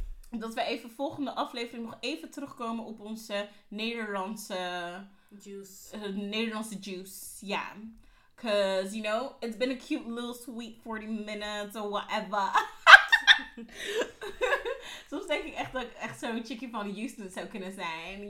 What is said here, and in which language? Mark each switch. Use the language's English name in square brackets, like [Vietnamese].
[Dutch] Dat we even volgende aflevering nog even terugkomen op onze Nederlandse... [English] Juice. [Dutch] Nederlandse juice, ja. [English] Because, you know, it's been a cute little sweet 40 minutes or whatever. [Dutch] Soms denk ik echt dat ik echt zo'n chickie van Houston zou kunnen zijn.